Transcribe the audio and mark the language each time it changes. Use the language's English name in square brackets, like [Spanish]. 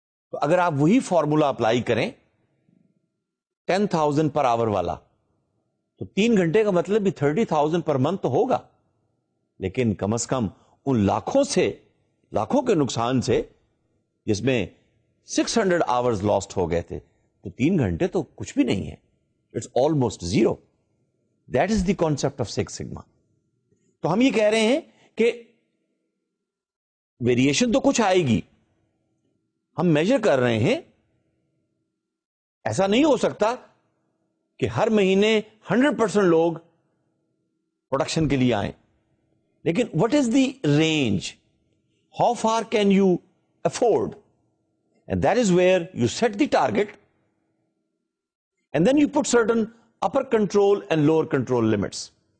[Urdu] تو اگر آپ وہی فارمولا اپلائی کریں 10,000 پر آور والا, تو 3 گھنٹے کا مطلب بھی 30,000 پر منتھ تو ہوگا, لیکن کم از کم ان لاکھوں کے نقصان سے جس میں 600 آورز لاسٹ ہو گئے تھے, تو 3 گھنٹے تو کچھ بھی نہیں ہے, [English] It's almost zero. That is the concept of six sigma. [Urdu] تو ہم یہ کہہ رہے ہیں کہ ویریشن تو کچھ آئے گی, ہم میجر کر رہے ہیں, ایسا نہیں ہو سکتا کہ ہر مہینے 100% لوگ پروڈکشن کے لیے آئیں, لیکن [English] What is the range, how far can you afford, and that is where you set the target, and then you put certain upper control and lower control limits.